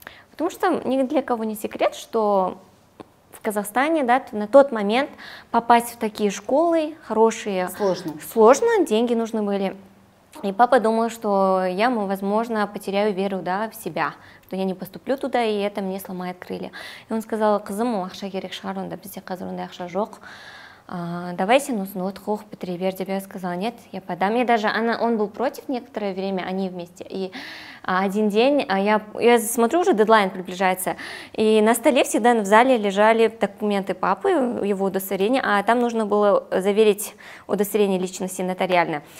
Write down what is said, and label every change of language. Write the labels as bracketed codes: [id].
[ru] Потому что ни для кого не секрет, что в Казахстане, да, на тот момент попасть в такие школы хорошие сложно. Сложно, деньги нужны были. И папа думал, что я, возможно, потеряю веру, да, в себя, что я не поступлю туда, и это мне сломает крылья. И он сказал: [kk] «Кызым, ақша керек шығар, онда бізде қазір ондай ақша жоқ. [ru] Давай [kk] сен осыны вот оқып бітіре бер», деп [ru] я сказала: «Нет, я подам». Я даже, он был против некоторое время, они вместе. И один день, я смотрю, уже дедлайн приближается, и на столе всегда в зале лежали документы папы, его удостоверение, а там нужно было заверить удостоверение личности нотариально.